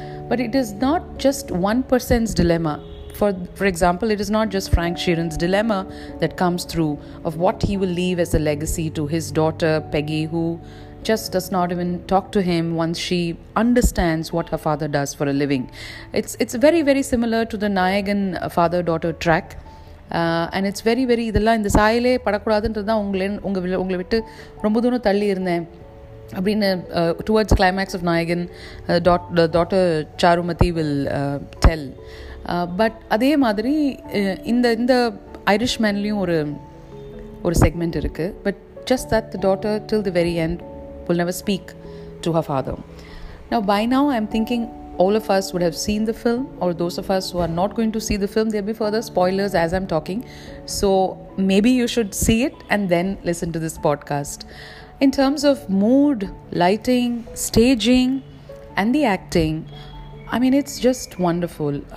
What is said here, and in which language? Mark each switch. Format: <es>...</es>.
<en>But it is not just one person's dilemma. For example, it is not just Frank Sheeran's dilemma that comes through of what he will leave as a legacy to his daughter Peggy, who just does not even talk to him once she understands what her father does for a living. It's very, very similar to the Nayagan father-daughter track. And it's very, very,</en> <ta>இதெல்லாம் இந்த சாயிலே படக்கூடாதுன்றதான் உங்களை விட்டு ரொம்ப தூரம் தள்ளி இருந்தேன் அப்படின்னு</ta> <en>Towards climax of Nayakan daughter Charumathi will tell.</en> <ta>But அதே மாதிரி இந்த ஐரிஷ் மேன்லேயும் ஒரு செக்மெண்ட் இருக்குது.</ta> <en>But just that the daughter till the very end will never speak to her father. Now, by now, I'm thinking all of us would have seen the film, or those of us who are not going to see the film, there'll be further spoilers as I'm talking. So maybe you should see it and then listen to this podcast. In terms of mood, lighting, staging, and the acting, I mean, it's just wonderful.</en>